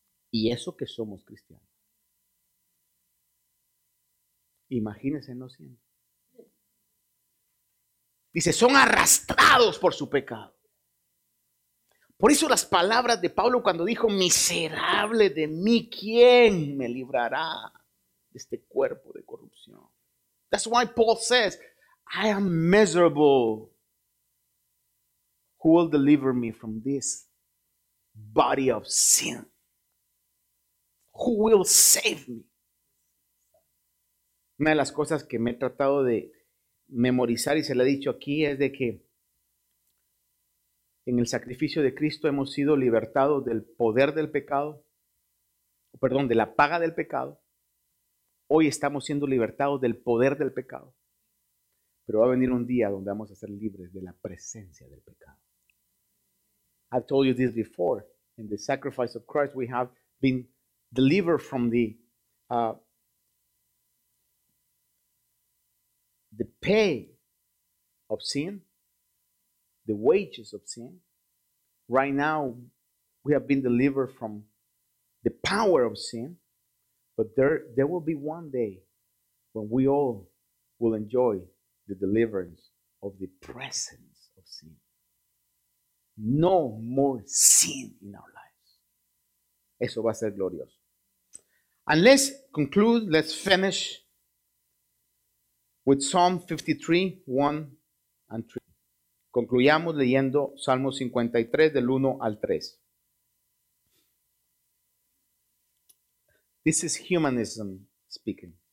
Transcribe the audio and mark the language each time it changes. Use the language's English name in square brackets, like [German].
[Spanish] Y eso que somos cristianos, imagínense no siendo. Dice: son arrastrados por su pecado. Por eso las palabras de Pablo cuando dijo: miserable de mí, ¿quién me librará de este cuerpo de corrupción? [English] That's why Paul says, I am miserable. Who will deliver me from this body of sin? Who will save me? [Spanish] Una de las cosas que me he tratado de memorizar y se le ha dicho aquí es de que en el sacrificio de Cristo hemos sido libertados del poder del pecado, perdón, de la paga del pecado. Hoy estamos siendo libertados del poder del pecado. Pero va a venir un día donde vamos a ser libres de la presencia del pecado. [English] I've told you this before. In the sacrifice of Christ, we have been delivered from the pay of sin. The wages of sin. Right now, we have been delivered from the power of sin. But there will be one day when we all will enjoy the deliverance of the presence of sin. No more sin in our lives. [Spanish] Eso va a ser glorioso. [English] And let's conclude, let's finish with Psalm 53, 1 and 3. [Spanish] Concluyamos leyendo Salmo 53, del 1 al 3. [English] This is humanism speaking.